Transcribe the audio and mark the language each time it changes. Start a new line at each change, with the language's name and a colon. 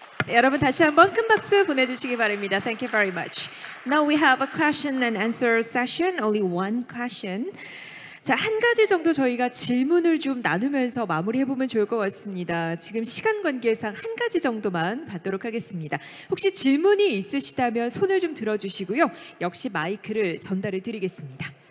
Korean: 여러분 다시 한번 큰 박수 보내주시기 바랍니다.
English: Thank you very much. Now we have a question and answer session. Only one question.
Korean: 자, 한 가지 정도 저희가 질문을 좀 나누면서 마무리해보면 좋을 것 같습니다. 지금 시간 관계상 한 가지 정도만 받도록 하겠습니다. 혹시 질문이 있으시다면 손을 좀 들어주시고요. 역시 마이크를 전달을 드리겠습니다.